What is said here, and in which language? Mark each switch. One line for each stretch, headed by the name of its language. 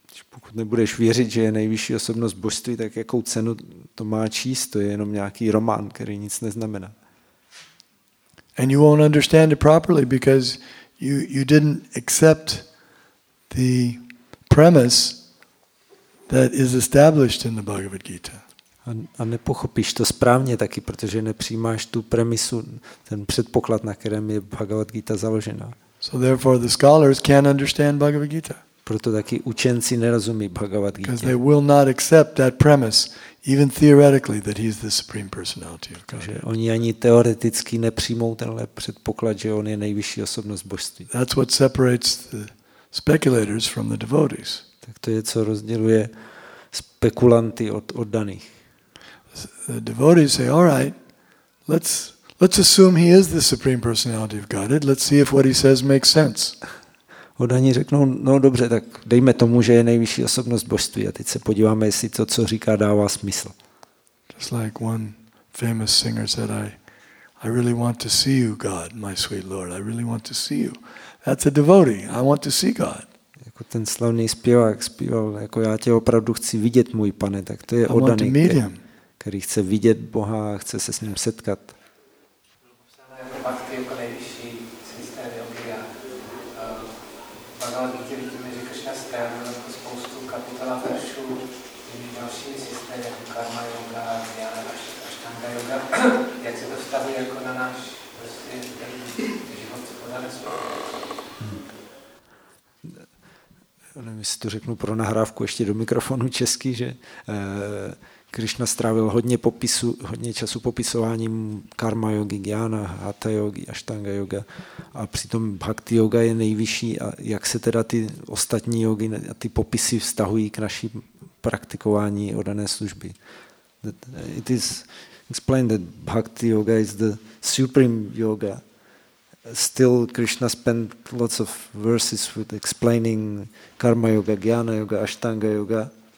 Czech: Pokud nebudeš věřit, že je nejvyšší osobnost božství, tak jakou cenu to má číst? To je jenom nějaký román, který nic neznamená.
English: And you won't understand it properly because you didn't accept the premise that is established in the Bhagavad Gita.
Czech: A nepochopíš to správně taky, protože nepřijímáš tu premisu, ten předpoklad, na kterém je Bhagavad Gita založena.
English: So therefore the scholars can't understand Bhagavad Gita.
Czech: Proto taky učenci nerozumí Bhagavad Gita.
English: Because they will not accept that premise, even theoretically, that he is the supreme personality of God.
Czech: Že oni ani teoreticky nepřijmou tenhle předpoklad, že on je nejvyšší osobnost božství.
English: That's what separates the speculators from the devotees.
Czech: Tak to je, co rozděluje spekulanty od oddaných.
English: The devotees say, all right, let's assume he is the supreme personality of God. Let's see if what he says makes sense.
Czech: Oddaní řeknou, no dobře, tak dejme tomu, že je nejvyšší osobnost božství a teď se podíváme, jestli to, co říká, dává smysl.
English: Just like one famous singer said, I really want to see you, God, my sweet Lord. I really want to see you. That's a devotee. I want to see God.
Czech: Jako ten slavný zpěvák zpíval, jako já tě opravdu chci vidět, můj pane, tak to je oddaný, který chce vidět Boha a chce se s ním setkat. Jak se to staví jako na náš život, co podáme. jestli to řeknu pro nahrávku ještě do mikrofonu česky, že Krišna strávil hodně času popisováním karma yogi, jnana, hatha yogi, ashtanga yoga, a přitom bhakti yoga je nejvyšší, a jak se teda ty ostatní yogi a ty popisy vztahují k naší praktikování oddané služby.
English: It is explained that bhakti yoga is the supreme yoga. Still, Krishna spent lots of verses with explaining karma yoga, jnana yoga, ashtanga yoga.